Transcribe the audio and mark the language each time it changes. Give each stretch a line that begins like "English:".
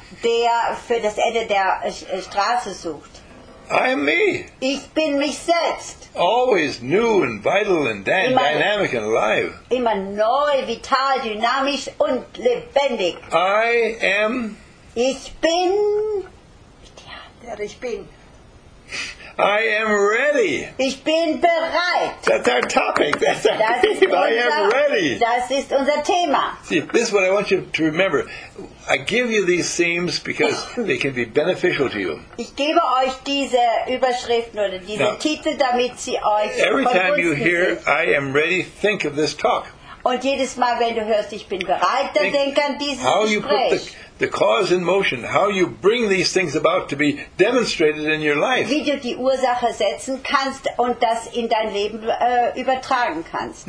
German: der für das Ende der Straße sucht.
English: I am me.
German: Ich bin mich selbst.
English: Always new and vital and dynamic and alive.
German: Immer neu, vital, dynamisch und lebendig.
English: I am.
German: Ich bin. Der ich bin.
English: I am ready.
German: Ich bin bereit.
English: That's our topic. That's our theme. I am ready.
German: Das ist unser Thema.
English: See, this is what I want you to remember. I give you these themes because they can be beneficial to you.
German: Ich gebe euch diese Überschriften oder diese Titel, damit sie euch.
English: Every time you hear "I am ready," think of this talk.
German: Und jedes Mal, wenn du hörst, ich bin bereit, dann denk an dieses Gespräch.
English: How you put the cause in motion, how you bring these things about to be demonstrated in your life.
German: Wie du die Ursache setzen kannst und das in dein Leben übertragen kannst.